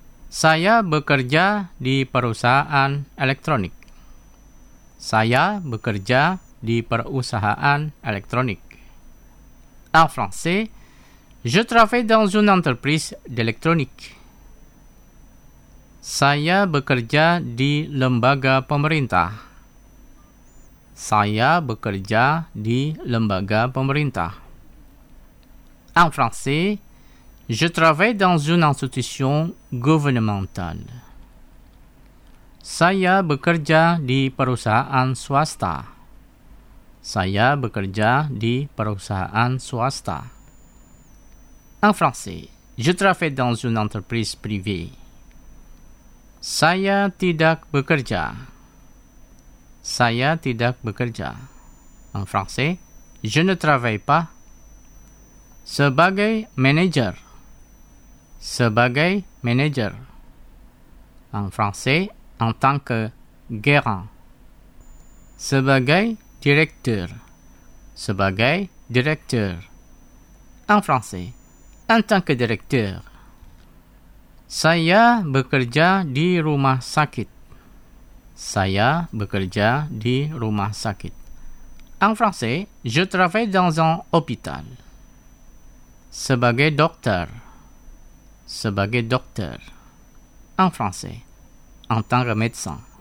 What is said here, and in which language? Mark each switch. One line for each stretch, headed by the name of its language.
Indonesian: Saya bekerja di perusahaan elektronik. Saya bekerja di perusahaan elektronik.
French: En français, je travaille dans une entreprise d'électronique.
Indonesian: Saya bekerja di lembaga pemerintah. Saya bekerja di lembaga pemerintah.
French: En français, je travaille dans une institution gouvernementale.
Indonesian: Saya bekerja di perusahaan swasta. Saya bekerja di perusahaan swasta.
French: En français, je travaille dans une entreprise privée.
Indonesian: Saya tidak bekerja. Saya tidak bekerja.
French: En français, je ne travaille pas.
Indonesian: Sebagai manager. Sebagai manager.
French: En français, en tant que gérant.
Indonesian: Sebagai directeur. Sebagai directeur.
French: En français, en tant que directeur.
Indonesian: Saya bekerja di rumah sakit. Saya bekerja di rumah sakit.
French: En français, je travaille dans un hôpital.
Indonesian: Sebagai dokter. Sebagai dokter.
French: En français, en tant que médecin.